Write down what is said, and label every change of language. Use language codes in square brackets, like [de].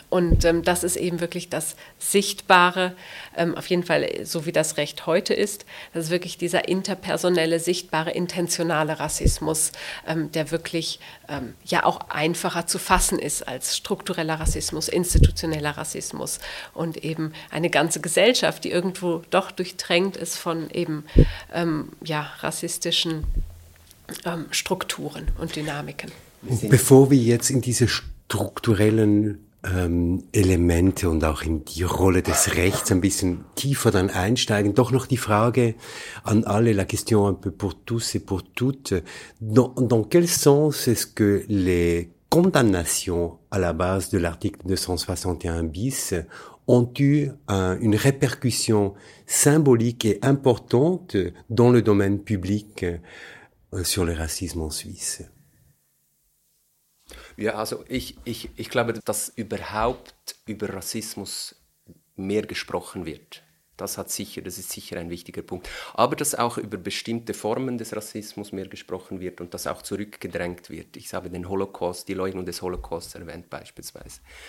[de] Und das ist eben wirklich das Sichtbare, auf jeden Fall so wie das Recht heute ist, das ist wirklich dieser interpersonelle, sichtbare, intentionale Rassismus, der wirklich ja auch einfacher zu fassen ist als struktureller Rassismus, institutioneller Rassismus und eben eine ganze Gesellschaft, die irgendwo doch durchdrängt ist von eben rassistischen Strukturen und Dynamiken. Bevor wir jetzt in diese strukturellen Elemente und auch in die Rolle des Rechts ein bisschen tiefer dann einsteigen. Doch noch die Frage an alle, [fr] la question un peu pour tous et pour toutes. Dans quel sens est-ce que les condamnations à la base de l'article 261 bis ont eu une répercussion symbolique et importante dans le domaine public sur le racisme en Suisse? [de] Ja, also ich glaube, dass überhaupt über Rassismus mehr gesprochen wird. Das ist sicher ein wichtiger Punkt. Aber dass auch über bestimmte Formen des Rassismus mehr gesprochen wird und das auch zurückgedrängt wird. Ich habe den Holocaust, die Leugnung des Holocausts erwähnt beispielsweise.